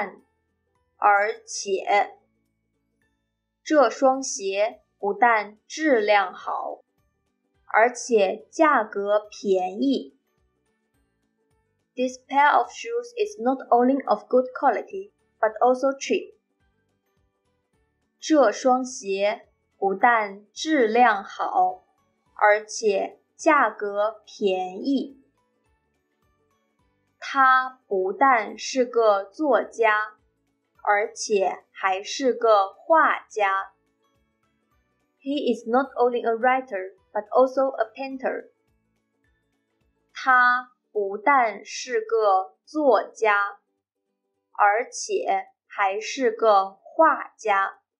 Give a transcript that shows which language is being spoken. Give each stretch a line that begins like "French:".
Chinese: 不但而且，这双鞋不但质量好，而且价格便宜。
English: This pair of shoes is not only of good quality, but also cheap.
Chinese: 这双鞋不但质量好，而且价格便宜。他不但是个作家，而且还是个画家。
English: He is not only a writer, but also a painter.
Chinese: 他不但是个作家，而且还是个画家。